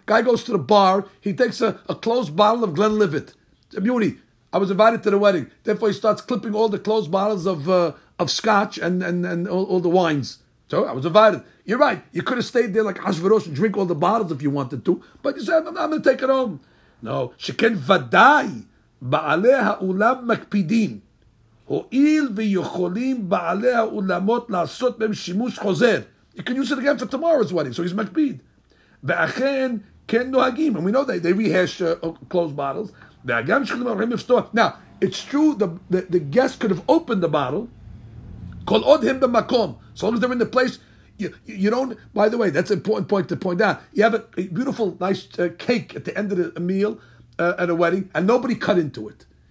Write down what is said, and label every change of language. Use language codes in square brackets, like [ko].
[en] Guy goes to the bar. He takes a closed bottle of Glenlivet. It's a beauty. I was invited to the wedding. Therefore, he starts clipping all the closed bottles of scotch and all the wines. So, I was invited. You're right. You could have stayed there like Ashverosh and drink all the bottles if you wanted to. But you said, I'm going to take it home. [he] No. Sheken vadai ba'alei ha'ulam makpidin. הועיל ויכולים בעלי האולמות לעשות בהם שימוש חוזר. [en] You can use it again for tomorrow's wedding, so he's מקפיד. [he] ואכן כן נוהגים, [en] and we know they rehash closed bottles. [he] והגם שכולם הולכים לפתוח. [en] Now, it's true, the guest could have opened the bottle, [he] כל עוד הם במקום, [en] as long as they're in the place. You don't, by the way, that's an important point to point out. You have a beautiful, nice cake at the end of a meal at a wedding, and nobody cut into it.